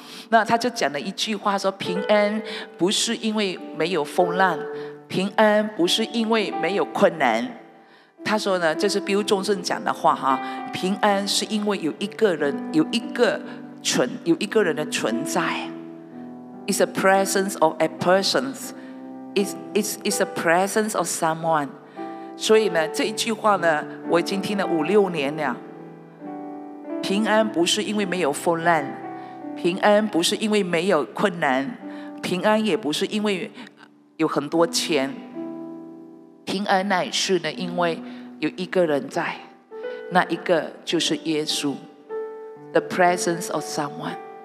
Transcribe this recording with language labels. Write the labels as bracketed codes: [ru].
[zh] 那他就讲了一句话说，平安不是因为没有风浪，平安不是因为没有困难。他说呢，这是 Bill 中正讲的话哈，平安是因为有一个人的存在。 [en] It's a presence of a person. It's a presence of someone. [zh] 所以呢，这一句话呢，我已经听了五六年了。平安不是因为没有风浪，平安不是因为没有困难，平安也不是因为有很多钱，平安乃是呢因为有一个人在，那一个就是耶稣， [en] the presence of someone。